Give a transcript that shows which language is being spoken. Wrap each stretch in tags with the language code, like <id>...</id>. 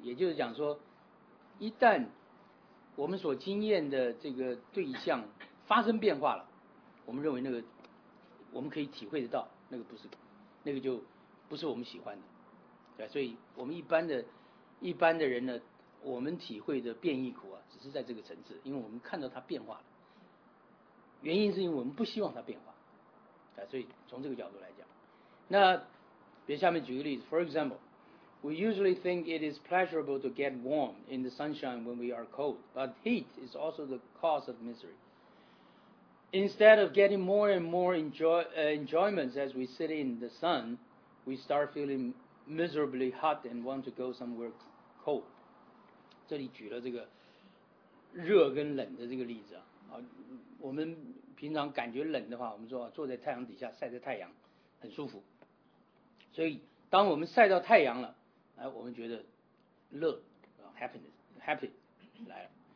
<zh>也就是讲说一旦我们所经验的这个对象发生变化了，我们认为那个我们可以体会得到，那个不是，那个就不是我们喜欢的，对。所以我们一般的人呢，我们体会的变异苦啊，只是在这个层次，因为我们看到它变化了，原因是因为我们不希望它变化，对。所以从这个角度来讲，那比如下面举个例子 ，</zh> <en>For example。 We usually think it is pleasurable to get warm in the sunshine when we are cold, but heat is also the cause of misery. Instead of getting more and more enjoyments as we sit in the sun, we start feeling miserably hot and want to go somewhere cold.</en> <zh>这里举了这个热跟冷的这个例子啊。啊，我们平常感觉冷的话，我们说、啊、坐在太阳底下晒着太阳很舒服。所以当我们晒到太阳了，哎，我们觉得乐 ，</zh> <en>happiness，happy</en> <zh>来了。</zh>